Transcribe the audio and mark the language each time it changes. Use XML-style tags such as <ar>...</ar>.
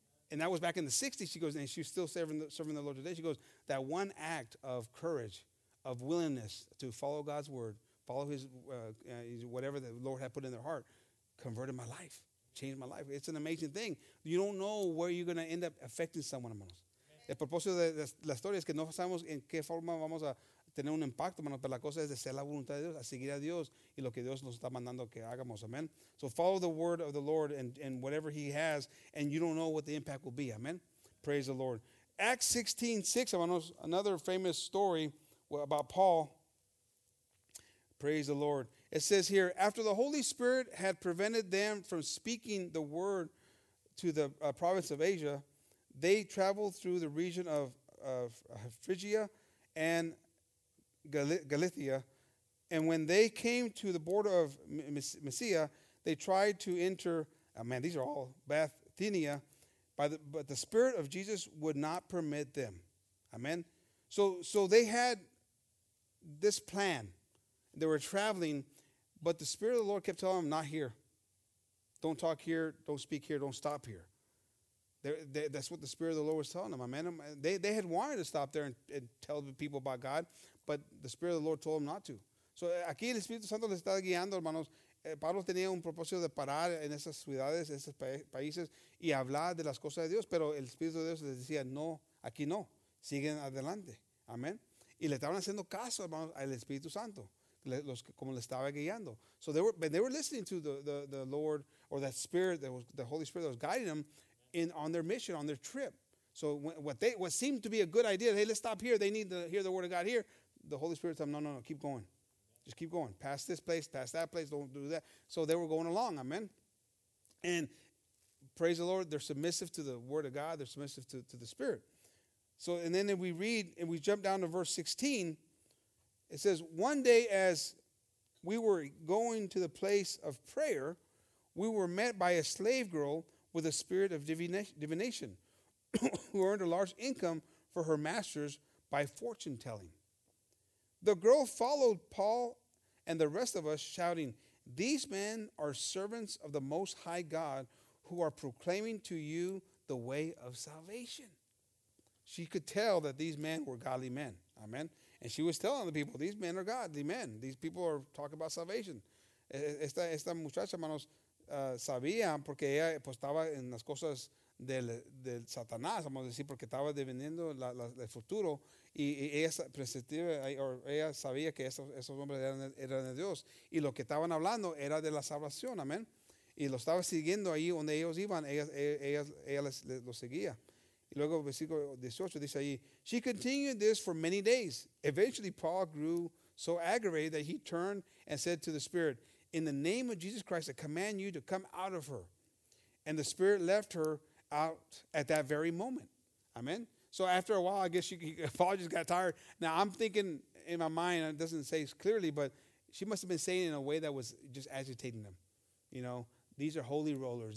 <en>And that was back in the 60s. She goes, and she's still serving the Lord today. She goes, that one act of courage, of willingness to follow God's word, follow his whatever the Lord had put in their heart, converted my life, changed my life. It's an amazing thing. You don't know where you're going to end up affecting someone, hermanos.</en> <es>El propósito de la historia es que no sabemos en qué forma vamos a tener un impacto, hermanos, pero la cosa es de ser la voluntad de Dios, a seguir a Dios y lo que Dios nos está mandando que hagamos.</es> <en>Amen. So follow the word of the Lord and whatever he has, and you don't know what the impact will be. Amen. Praise the Lord. Acts 16:6, hermanos, another famous story about Paul. Praise the Lord. It says here, after the Holy Spirit had prevented them from speaking the word to the province of Asia, they traveled through the region of Phrygia and Galatia. And when they came to the border of Mysia, they tried to enter, Bithynia, but the Spirit of Jesus would not permit them. Amen. So they had this plan. They were traveling, but the Spirit of the Lord kept telling them, not here. Don't talk here. Don't speak here. Don't stop here. That's what the Spirit of the Lord was telling them. Amen. They had wanted to stop there and tell the people about God, but the Spirit of the Lord told them not to.</en> <es>So aquí el Espíritu Santo les está guiando, hermanos. Pablo tenía un propósito de parar en esas ciudades, en esos países, y hablar de las cosas de Dios, pero el Espíritu de Dios les decía, no, aquí no. Siguen adelante. Amen. Y le estaban haciendo caso, hermanos, al Espíritu Santo. Como le estaba guiando.</es> <en>So they were listening to the Lord, or that Spirit, that was the Holy Spirit that was guiding them on their mission, on their trip. So what seemed to be a good idea, hey, let's stop here. They need to hear the word of God here. The Holy Spirit told them, no, keep going. Just keep going. Past this place, past that place, don't do that. So they were going along, amen. And praise the Lord, they're submissive to the word of God. They're submissive to the Spirit. So and then if we read and we jump down to verse 16, it says, one day as we were going to the place of prayer, we were met by a slave girl with a spirit of divination who earned a large income for her masters by fortune telling. The girl followed Paul and the rest of us, shouting, these men are servants of the Most High God who are proclaiming to you the way of salvation. She could tell that these men were godly men. Amen. And she was telling the people, these men are godly men. These people are talking about salvation.</en> <es>Esta muchacha, hermanos, sabía porque ella pues, estaba en las cosas del Satanás, vamos a decir, porque estaba dividiendo el futuro. Y ella sabía que esos hombres eran de Dios. Y lo que estaban hablando era de la salvación, amén. Y lo estaba siguiendo ahí donde ellos iban, ella lo seguía. Y luego versículo 18 dice ahí,</es> <en>she continued this for many days. Eventually, Paul grew so aggravated that he turned and said to the Spirit, in the name of Jesus Christ, I command you to come out of her. And the Spirit left her out at that very moment. Amen. So after a while, I guess Paul just got tired. Now, I'm thinking in my mind, it doesn't say clearly, but she must have been saying it in a way that was just agitating them, you know. These are holy rollers.</en>